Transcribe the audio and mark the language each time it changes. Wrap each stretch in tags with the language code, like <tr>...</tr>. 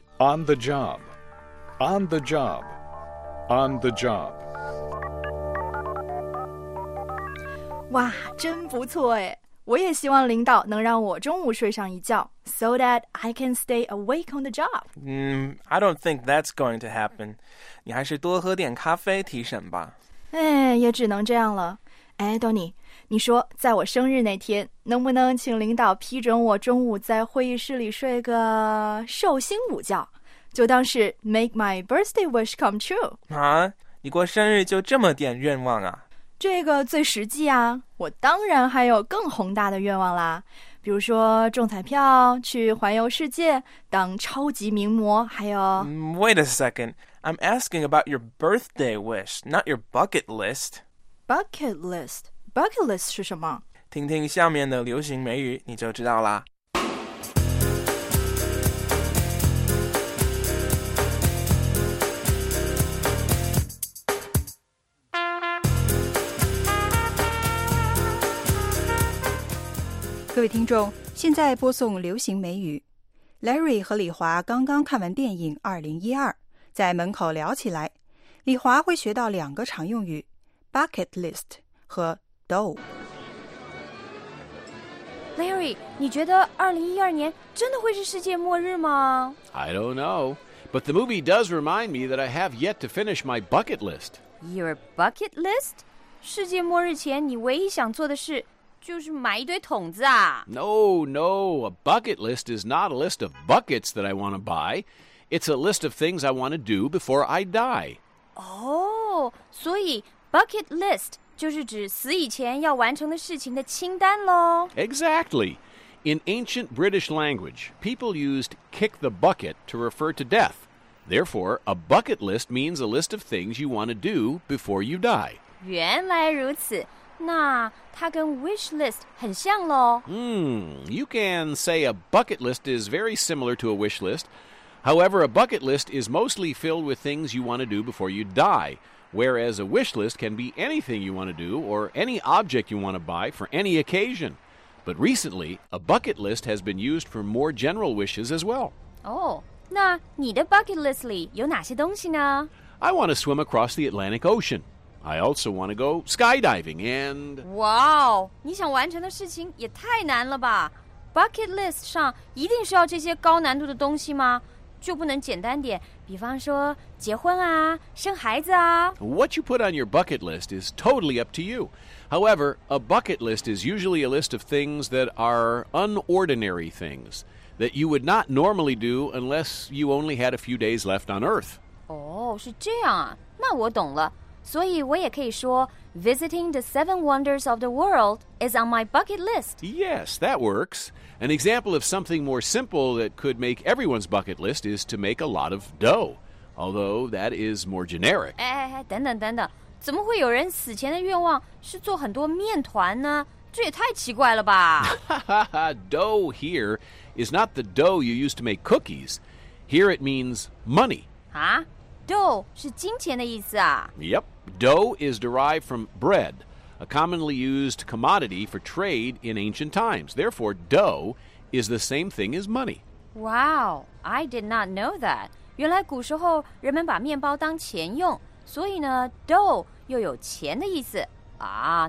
<en>on the job, on the job, on the job.</en> <zh>哇，真不错哎！我也希望领导能让我中午睡上一觉 ，</zh> <en>so that I can stay awake on the job. I don't think that's going to happen.</en> <zh>你还是多喝点咖啡提神吧。哎，也只能这样了。哎 ，Donnie， 你说在我生日那天，能不能请领导批准我中午在会议室里睡个寿星午觉，就当是</zh> <en>make my birthday wish come true？</en> <zh>啊，你过生日就这么点愿望啊？这个最实际啊，我当然还有更宏大的愿望啦，比如说中彩票，去环游世界，当超级名模，还有</zh> <en>Wait a second, I'm asking about your birthday wish, not your bucket list. Bucket list? Bucket list 是什么？</en> <zh>听听下面的流行美语，你就知道啦。各位听众，现在播送流行美语。 Larry 和李华刚刚看完电影2012，在门口聊起来，李华会学到两个常用语 Bucket list 和 dough。 Larry， 你觉得2012年真的会是世界末日吗？</zh> <en>I don't know, but the movie does remind me that I have yet to finish my bucket list. Your bucket list?</en> <zh>世界末日前你唯一想做的事就是买一堆桶子啊。</zh> <en>No, no, a bucket list is not a list of buckets that I want to buy. It's a list of things I want to do before I die.</en> <zh>Oh, 所以 bucket list 就是指死以前要完成的事情的清单咯。</zh> <en>Exactly. In ancient British language, people used kick the bucket to refer to death. Therefore, a bucket list means a list of things you want to do before you die.</en> <zh>原来如此。那它跟 wish list 很像咯。</zh> <en>You can say a bucket list is very similar to a wish list. However, a bucket list is mostly filled with things you want to do before you die, whereas a wish list can be anything you want to do or any object you want to buy for any occasion. But recently, a bucket list has been used for more general wishes as well.</en> <zh>Oh, 那你的 bucket list 里有哪些东西呢？</zh> <en>I want to swim across the Atlantic Ocean. I also want to go skydiving and...</en> <zh>Wow, 你想完成的事情也太难了吧。 Bucket list 上一定需要这些高难度的东西吗？就不能简单点，比方说结婚啊，生孩子啊。</zh> <en>What you put on your bucket list is totally up to you. However, a bucket list is usually a list of things that are unordinary things that you would not normally do unless you only had a few days left on Earth.</en> <zh>哦，是这样啊，那我懂了。所以我也可以说</zh> <en>Visiting the seven wonders of the world is on my bucket list. Yes, that works. An example of something more simple that could make everyone's bucket list is to make a lot of dough. Although that is more generic.</en> <zh>等等，怎么会有人死前的愿望是做很多面团呢？这也太奇怪了吧。</zh> <en>Dough here is not the dough you use to make cookies. Here it means money.</en> <zh>啊？Dough 是金钱的意思啊？</zh> <en>Yep. Dough is derived from bread, a commonly used commodity for trade in ancient times. Therefore, dough is the same thing as money. Wow, I did not know that.</en> <zh>原来古时候人们把面包当钱用，所以呢 ，dough 又有钱的意思啊。</zh>